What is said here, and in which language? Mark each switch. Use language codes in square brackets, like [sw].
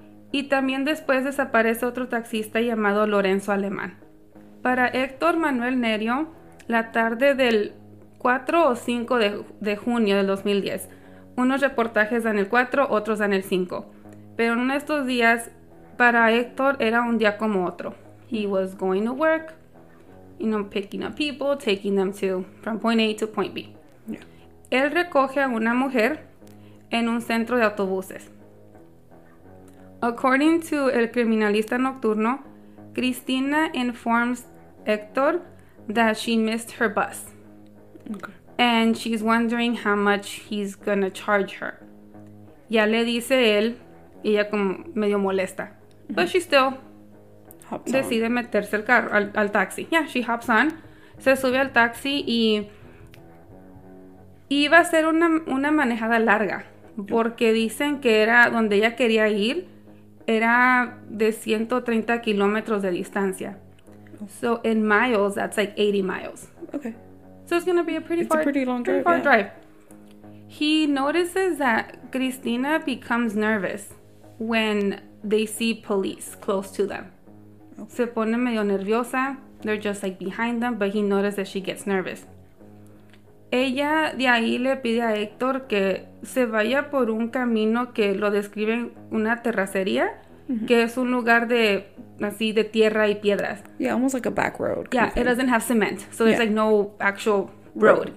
[es] Y también después desaparece otro taxista llamado Lorenzo Alemán. Para Héctor Manuel Nerio, la tarde del 4 o 5 de junio del 2010, unos reportajes dan el 4, otros dan el 5. Pero en estos días, para Héctor era un día como otro. [en] He was going to work, you know, picking up people, taking them to from point A to point B. Yeah. [es] Él recoge a una mujer en un centro de autobuses. [en] According to El Criminalista Nocturno, Cristina informs Héctor that she missed her bus. Okay. And she's wondering how much he's gonna charge her. [es] Ya le dice él, ella como medio molesta. [en] Mm-hmm. But she still hops decide on. [es] Meterse al carro, al taxi. [en] Yeah, she hops on. [es] Se sube al taxi y iba a ser una manejada larga. Porque dicen que era donde ella quería ir. Era de 130 kilómetros de distancia. [en] So, in miles, that's like 80 miles. Okay. So, it's going to be a pretty long drive. He notices that Cristina becomes nervous when they see police close to them. Okay. [es] Se pone medio nerviosa. [en] They're just like behind them, but he notices that she gets nervous. [es] Ella de ahí le pide a Héctor que se vaya por un camino que lo describen una terracería, que es un lugar de así de tierra y piedras. [en] Yeah, almost like a back road. Yeah, it doesn't have cement, so there's like no actual road.